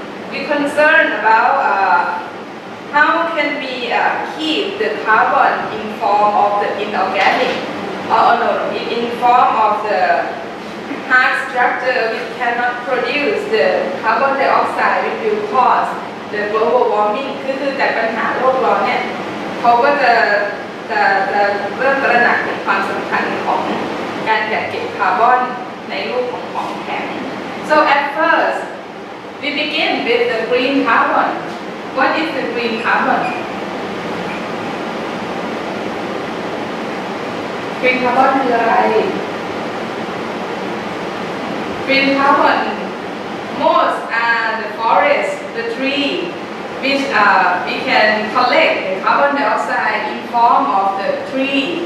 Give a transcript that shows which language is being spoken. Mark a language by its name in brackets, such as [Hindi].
[English] We concern about how can we keep the carbon in form of the inorganic, in form of the hard structure. We cannot produce the carbon dioxide, which will cause the global warming. [Thai] คือจากปัญหาโลกร้อนเนี่ยเขาก็จะเริ่มตระหนักถึงความสำคัญของการเก็บคาร์บอนในรูปของของแข็ง [English] So at first, we begin with the green carbon. What is the green carbon? Green carbon [Thai] คืออะไร [English] Green carbon, most are the forest, the tree, which we can collect the carbon dioxide in form of the tree.